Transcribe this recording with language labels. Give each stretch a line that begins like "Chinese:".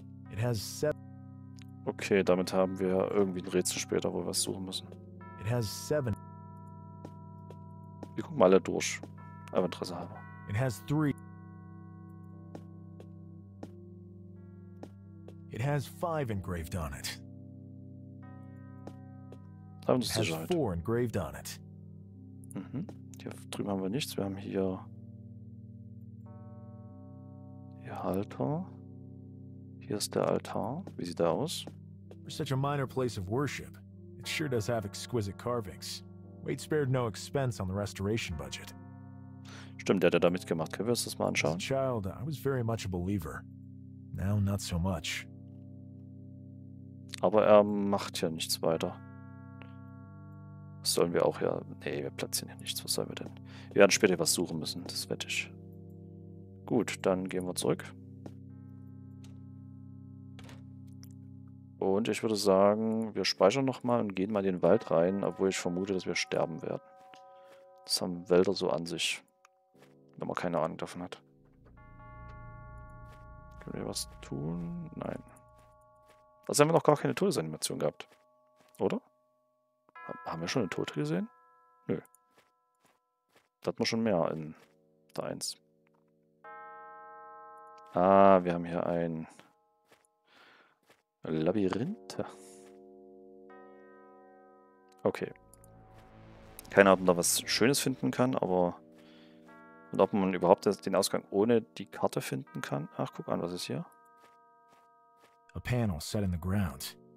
English: It has seven.
German: Okay, damit haben wir irgendwie ein Rätsel später, wo wir was suchen müssen.
English: It has seven.
German: Wir gucken mal alle durch, aber Interesse haben.
English: It has three. It has five engraved on it.
German: Da haben wir uns Sicherheit.
English: It has four engraved on it. Mhm.
German: Hier drüben haben wir nichts. Wir haben hier die Halter. Hier ist der Altar. Wie sieht er aus?
English: For such a minor place of worship, it sure does have exquisite carvings. Wade spared no expense on the restoration budget.
German: Stimmt, der hat ja da mitgemacht. Können wir uns das mal anschauen?
English: As a child, I was very much a believer. Now, not so much.
German: Aber er macht ja nichts weiter. Was sollen wir auch hier? Nee, wir platzieren hier nichts. Was sollen wir denn? Wir werden später was suchen müssen, das wette ich. Gut, dann gehen wir zurück. Und ich würde sagen, wir speichern nochmal und gehen mal in den Wald rein, obwohl ich vermute, dass wir sterben werden. Das haben Wälder so an sich, wenn man keine Ahnung davon hat. Können wir was tun? Nein. Also haben wir noch gar keine Todesanimation gehabt, oder? Haben wir schon eine Tote gesehen? Nö. Da hatten wir schon mehr in der 1. Ah, wir haben hier ein... Labyrinth. Okay. Keine Ahnung, ob man da was Schönes finden kann, aber... Und ob man überhaupt den Ausgang ohne die Karte finden kann. Ach, guck an, was ist hier?
English: A panel set in the ground.